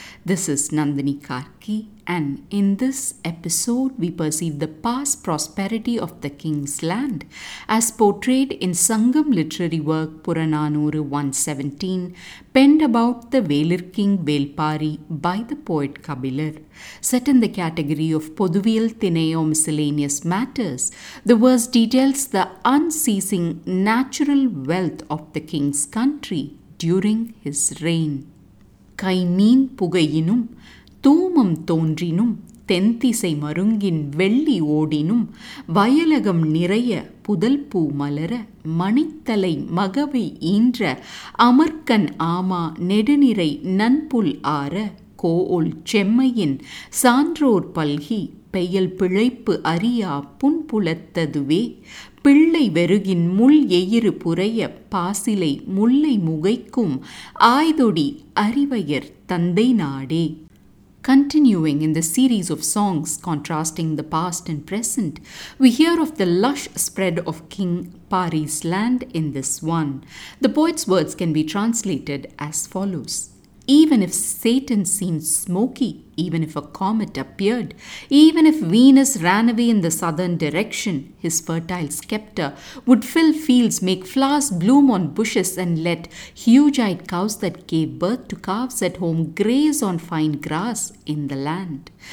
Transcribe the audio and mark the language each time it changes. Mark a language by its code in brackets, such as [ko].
[en] This is Nandini Karki, and in this episode we perceive the past prosperity of the king's land as portrayed in Sangam literary work Puranaanooru 117, penned about the Velir King Vel Paari by the poet Kabilar. Set in the category of Pothuviyal Thinai or Miscellaneous matters, the verse details the unceasing natural wealth of the king's country during his reign. [ta] கைமீன் புகையினும் தூமம் தோன்றினும் தென்திசை மருங்கின் வெள்ளி ஓடினும் வயலகம் நிறைய புதல்பூ மலர மணித்தலை மகவை ஈன்ற அமர்கன் ஆமா நெடுநிறை நன்புல் ஆற கோல் செம்மையின் சான்றோர் பல்கி பெயல் பிழைப்பு அறியா புன்புலத்ததுவே பிள்ளை வெருகின் முள் எயிறு புறைய பாசிலை முல்லை முகைக்கும் ஆய்தொடி அறிவையர் தந்தை நாடே. [en] Continuing in the series of songs contrasting the past and present, we hear of the lush spread of King Paari's land in this one. The poet's words can be translated as follows. Even if Satan seemed smoky, even if a comet appeared, even if Venus ran away in the southern direction, his fertile scepter would fill fields, make flowers bloom on bushes, and let huge-eyed cows that gave birth to calves at home graze on fine grass in the land.